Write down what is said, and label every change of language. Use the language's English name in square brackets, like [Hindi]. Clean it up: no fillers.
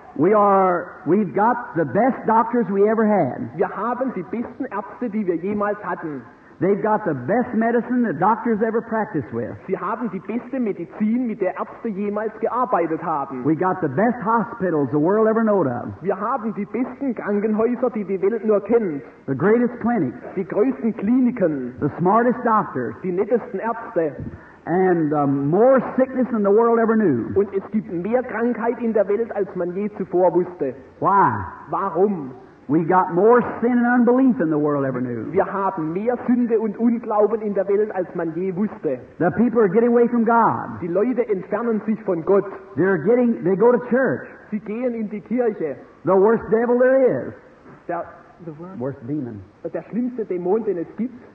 [English] We've got the best doctors we ever had. [German] Wir haben die besten Ärzte, die wir jemals hatten. [English] They've got the best medicine the doctors ever practiced with. [German] Sie haben die beste Medizin, mit der Ärzte jemals gearbeitet haben. [English] We got the best hospitals the world ever knew of. [German] Wir haben die besten Krankenhäuser, die die Welt nur kennt. [English] The greatest clinics. [German] Die größten Kliniken. [English] The smartest doctors. [German] Die nettesten Ärzte. [English] And more sickness than the world ever knew. [German] Und es gibt mehr Krankheit in der Welt, als man je zuvor wusste. [English] Why? [German] Warum? [English] We got more sin and unbelief than the world ever knew. [German] Wir haben mehr Sünde und Unglauben in der Welt, als man je wusste. [English] The people are getting away from God. [German] Die Leute entfernen sich von Gott. [English] They go to church. [German] Sie gehen in die Kirche. [English] The worst devil there is. The worst demon. [German] Der schlimmste Dämon, den es gibt.